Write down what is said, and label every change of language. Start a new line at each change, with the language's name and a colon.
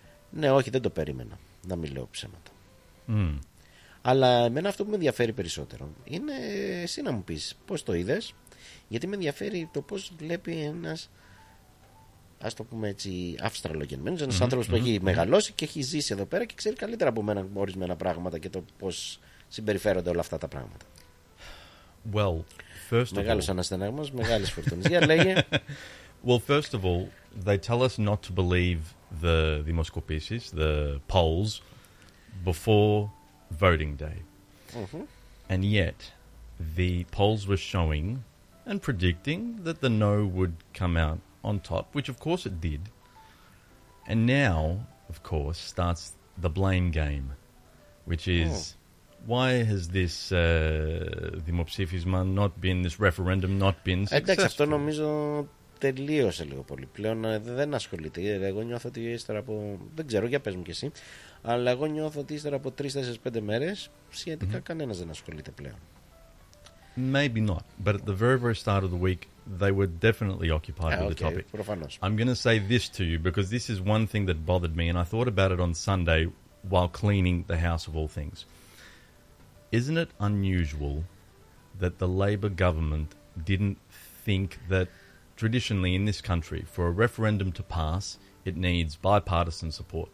Greek: Ναι, όχι, δεν το περίμενα, να μην λέω ψέματα. Αλλά εμένα αυτό που με ενδιαφέρει περισσότερο είναι εσύ να μου πεις πώς το είδες, γιατί με ενδιαφέρει το πώς βλέπει ένας, ας το πούμε έτσι, αυστραλογεννημένος, ένας άνθρωπος που έχει μεγαλώσει και έχει ζήσει εδώ πέρα και ξέρει καλύτερα από μένα ορισμένα πράγματα και το πώς συμπεριφέρονται όλα αυτά τα πράγματα.
English: Well, first of
Greek: μεγάλος αναστεναγμός, μεγάλες φορτώνες. Για λέγε.
English: Well, first of all, they tell us not to believe the δημοσκοπήσεις, the polls, before voting day. And yet, the polls were showing and predicting that the no would come out on top, which of course it did. And now, of course, starts the blame game, which is, why has this δημοψήφισμα not been, this referendum not been successful?
Greek: Εντάξει, αυτό νομίζω τελείωσε λίγο πολύ. Πλέον δεν ασχολείται. Εγώ νιώθω ότι ύστερα από, δεν ξέρω, για πες μου κι εσύ, αλλά εγώ νιώθω ότι ύστερα από 3-4-5 μέρες, σχετικά κανένας δεν ασχολείται πλέον.
English: Maybe not, but at the very, very start of the week, they were definitely occupied with the topic.
Greek: Προφανώς.
English: I'm going to say this to you, because this is one thing that bothered me, and I thought about it on Sunday while cleaning the house of all things. Isn't it unusual that the Labor government didn't think that traditionally in this country, for a referendum to pass, it needs bipartisan support?